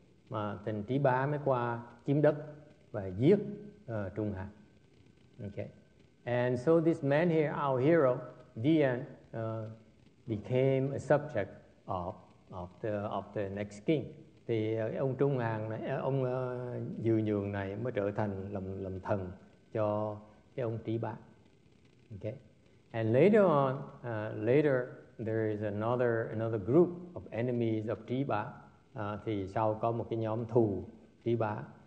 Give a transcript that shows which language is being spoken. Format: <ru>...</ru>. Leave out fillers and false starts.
<vi>Mà thần Tý Bá mới qua chiếm đất và giết Trung Hàn.</vi> <en>Okay. And so this man here, our hero, Dian, became a subject of the next king.</en> <vi>Thì ông Trung Hàn này, ông Dư Nhường này mới trở thành làm thần cho cái ông Tý Bá.</vi> <en>Okay. And later on, there is another group of enemies of Tý Bá.</en> <vi>Thì sau có một cái nhóm thù Tý Bá.</vi>